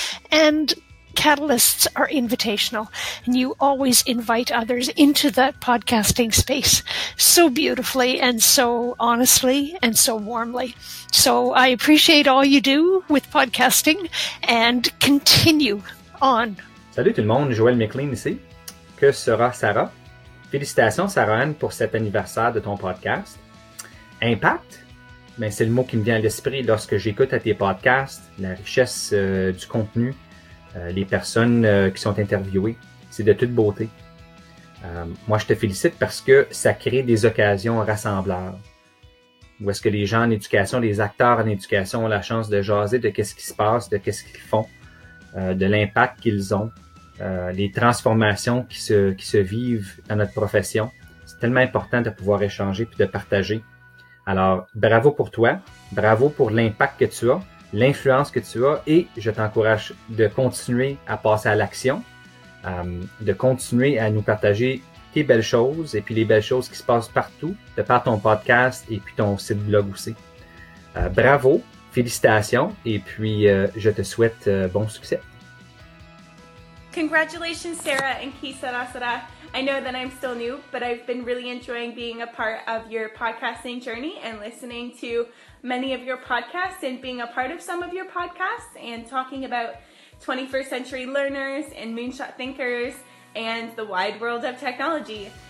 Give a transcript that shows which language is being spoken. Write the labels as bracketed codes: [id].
[en] And catalysts are invitational, and you always invite others into that podcasting space so beautifully and so honestly and so warmly. So I appreciate all you do with podcasting and continue on. [fr] Salut tout le monde, Joël McLean ici. Que sera Sarah? Félicitations, Sarah-Anne, pour cet anniversaire de ton podcast. Impact? Ben, c'est le mot qui me vient à l'esprit lorsque j'écoute à tes podcasts, la richesse du contenu. Les personnes qui sont interviewées, c'est de toute beauté. Moi, je te félicite parce que ça crée des occasions rassembleurs. Où est-ce que les gens en éducation, les acteurs en éducation ont la chance de jaser de qu'est-ce qui se passe, de qu'est-ce qu'ils font, de l'impact qu'ils ont, les transformations qui se vivent dans notre profession. C'est tellement important de pouvoir échanger puis de partager. Alors, bravo pour toi, bravo pour l'impact que tu as, l'influence que tu as, et je t'encourage de continuer à passer à l'action, de continuer à nous partager tes belles choses et puis les belles choses qui se passent partout, de par ton podcast et puis ton site blog aussi. Bravo, félicitations, et puis je te souhaite bon succès. [en] Congratulations, Sarah and Kisara Sara. I know that I'm still new, but I've been really enjoying being a part of your podcasting journey and listening to many of your podcasts and being a part of some of your podcasts and talking about 21st century learners and moonshot thinkers and the wide world of technology.